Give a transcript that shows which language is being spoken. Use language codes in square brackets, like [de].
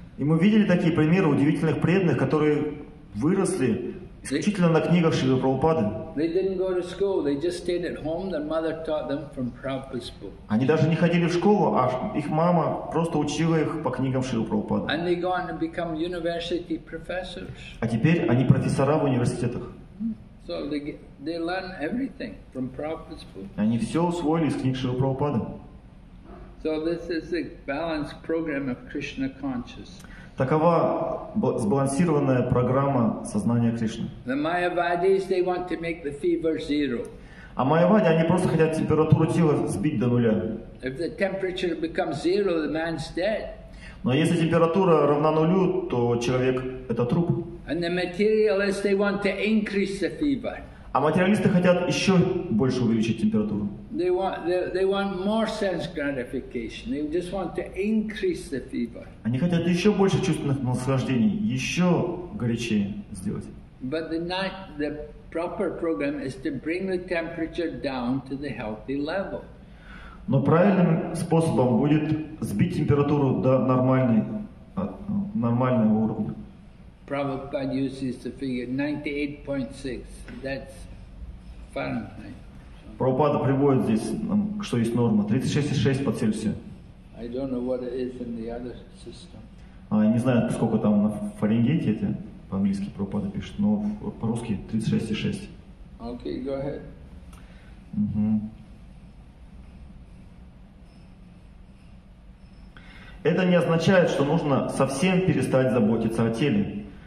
[ru] И мы видели такие примеры удивительных преданных, которые выросли исключительно на книгах Шрилы Прабхупады. [en] They didn't go to school, they just stayed at home, their mother taught them from Prabhupada's book. [ru] Они даже не ходили в школу, а их мама просто учила их по книгам Шрилы Прабхупады. [en] And they go on to become university professors. [ru] А теперь они профессора в университетах. [en] So they learn everything from Prabhupada's book. [ru] Они все усвоили из книг Шрилы Прабхупады. [en] So this is a balanced program of Krishna consciousness. [ru] Такова сбалансированная программа сознания Кришны. [en] The Mayavadis, they want to make the fever zero. [ru] А майявади, они просто хотят температуру тела сбить до нуля. [en] If the temperature becomes zero, the man's dead. [ru] Но если температура равна нулю, то человек — это труп. [en] And the materialists, they want to increase the fever. [ru] А материалисты хотят еще больше увеличить температуру. [en] They want more sense gratification. They just want to increase the fever. [ru] Они хотят еще больше чувственных наслаждений, еще горячее сделать. [en] But the proper program is to bring the temperature down to the healthy level. [ru] Но правильным способом будет сбить температуру до нормального уровня. [en] Prabhupada uses the figure 98.6. That's Fahrenheit. [ru] Прабхупада приводит здесь, что есть норма, 36,6 по Цельсию. [en] I don't know what it is in the other system. [ru] Не знаю, сколько там на Фаренгейте это, по-английски Прабхупада пишет, но по-русски 36,6. [en] Okay, go ahead. [ru] Это не означает, что нужно совсем перестать заботиться о теле.